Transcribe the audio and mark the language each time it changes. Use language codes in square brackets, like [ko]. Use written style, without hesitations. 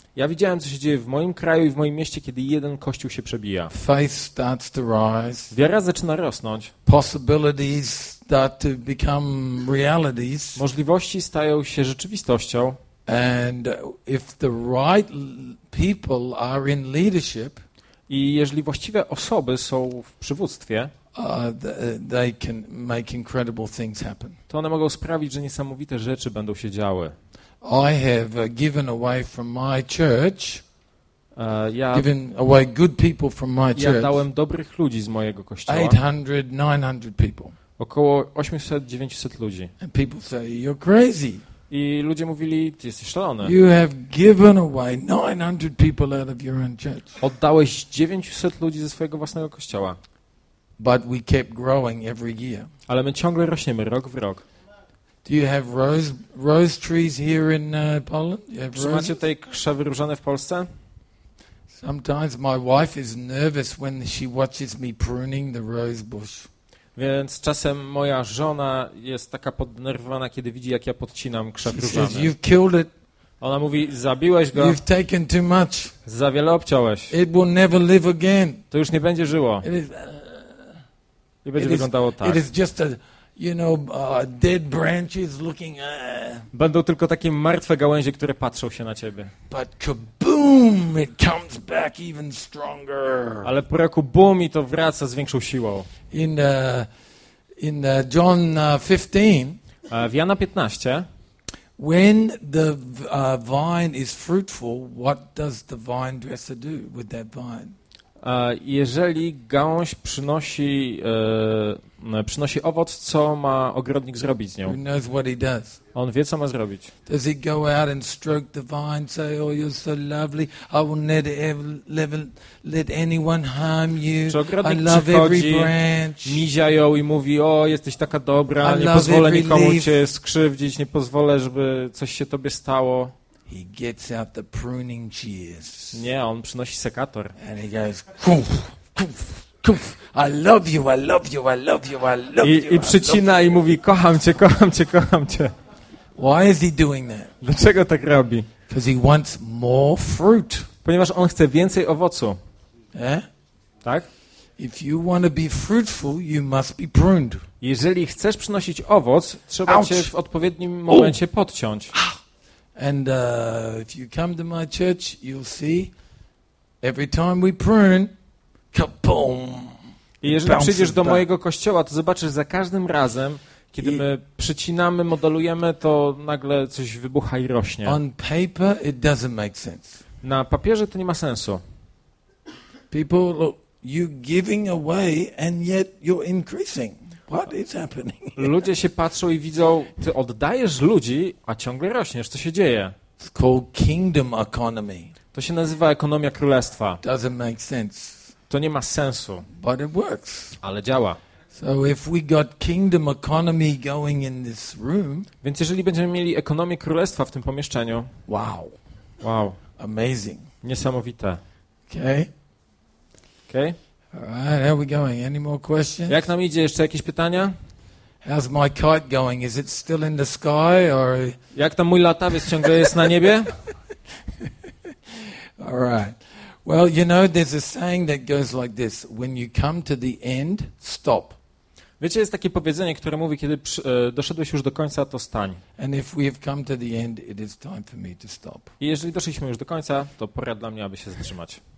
[pl] Ja widziałem, co się dzieje w moim kraju i w moim mieście, kiedy jeden kościół się przebija. [en] Faith starts to rise. [pl] Wiara zaczyna rosnąć. [en] Possibilities start to become realities. [pl] Możliwości stają się rzeczywistością. [en] And if the right people are in leadership, [pl] i jeżeli właściwe osoby są w przywództwie, [en] they can make incredible things happen. [pl] To one mogą sprawić, że niesamowite rzeczy będą się działy. [en] I have given away from my church. Given away good people from my church. [pl] Ja dałem dobrych ludzi z mojego kościoła. [en] 800, 900 people. [pl] Około 800-900 ludzi. [en] And people say you're crazy. [pl] I ludzie mówili, ty jesteś szalony. [en] You have given away 900 people out of your own church. [pl] Oddałeś 900 ludzi ze swojego własnego kościoła. [en] But we kept growing every year. [pl] Ale my ciągle rośniemy rok w rok. [en] Do you have rose trees here in Poland? You have roses? [pl] Macie tutaj krzewy różane w Polsce? [en] Sometimes my wife is nervous when she watches me pruning the rose bush. [pl] Więc czasem moja żona jest taka poddenerwowana, kiedy widzi, jak ja podcinam krzew różany. [en] She says, you've killed it. [pl] Ona mówi, zabiłeś go. [en] You've taken too much. [pl] Za wiele obciąłeś. [en] It will never live again. [pl] To już nie będzie żyło. [en] It is just a, you know, dead branches looking. [pl] Będą tylko takie martwe gałęzie, które patrzą się na ciebie. [en] But kaboom, it comes back even stronger. [pl] Ale po roku boom i to wraca z większą siłą. [en] In John 15. [pl] W Jana 15. [en] When the vine is fruitful, what does the vine dresser do with that vine? [pl] Jeżeli gałąź przynosi, przynosi owoc, co ma ogrodnik zrobić z nią? [en] He knows what he does. [pl] On wie, co ma zrobić. [en] Does he go out and stroke the vine, say, oh, you're so lovely, I will never ever let anyone harm you. [pl] Czy ogrodnik [en] I love [pl] przychodzi, [en] every branch. [pl] Mizia ją i mówi, o, jesteś taka dobra, I nie pozwolę nikomu cię skrzywdzić, nie pozwolę, żeby coś się tobie stało. [en] He gets out the pruning shears. [pl] Nie, on przynosi sekator. [en] And he goes, kuf, kuf, kuf. I love you, I love you, I love you, I love you. [pl] I przycina i mówi, kocham cię, kocham cię, kocham cię. [en] Why is he doing that? [pl] Dlaczego tak robi? [en] Because he wants more fruit. [pl] Ponieważ on chce więcej owocu. Eh? Tak? [en] If you want to be fruitful, you must be pruned. [pl] Jeżeli chcesz przynosić owoc, trzeba cię w odpowiednim momencie podciąć. [en] And if you come to my church, you'll see every time we prune, kaboom. [pl] I jeżeli przyjdziesz do mojego kościoła, to zobaczysz za każdym razem, Kiedy my przycinamy, modelujemy, to nagle coś wybucha i rośnie. [en] On paper it doesn't make sense. [pl] Na papierze to nie ma sensu. [en] People, look, you're giving away and yet you're increasing. What is happening? [pl] Ludzie się patrzą i widzą, ty oddajesz ludzi, a ciągle rośniesz. Co się dzieje? [en] It's called kingdom economy. [pl] To się nazywa ekonomia królestwa. [en] Doesn't make sense. [pl] To nie ma sensu. [en] But it works. [pl] Ale działa. [en] So if we got kingdom economy going in this room, [pl] więc jeżeli będziemy mieli ekonomię królestwa w tym pomieszczeniu, wow, wow, [en] amazing, [pl] niesamowite. Okay, okay. [en] All right, how are we going? Any more questions? [pl] Jak nam idzie? Jeszcze jakieś pytania? [en] How's my kite going? Is it still in the sky or? [pl] Jak tam mój latawiec ciągle jest na niebie? [en] All right. Well, you know, there's a saying that goes like this: when you come to the end, stop. [pl] Wiecie, jest takie powiedzenie, które mówi, kiedy doszedłeś już do końca, to stań. [en] And if we have come to the end, it is time for me to stop. [pl] I jeżeli doszliśmy już do końca, to pora dla mnie, aby się zatrzymać.